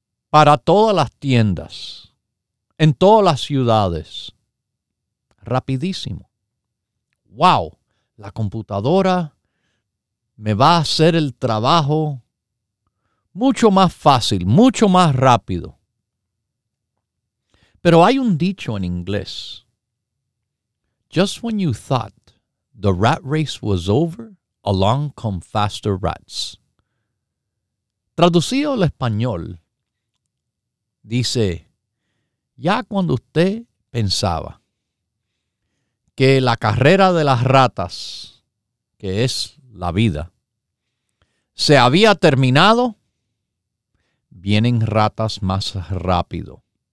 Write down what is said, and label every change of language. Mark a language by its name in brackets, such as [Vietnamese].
[Spanish] Para todas las tiendas, en todas las ciudades, rapidísimo. ¡Wow! La computadora me va a hacer el trabajo mucho más fácil, mucho más rápido. Pero hay un dicho en inglés. [English] Just when you thought the rat race was over, along come faster rats. [Spanish] Traducido al español, dice, ya cuando usted pensaba que la carrera de las ratas, que es la vida, se había terminado, vienen ratas más rápido.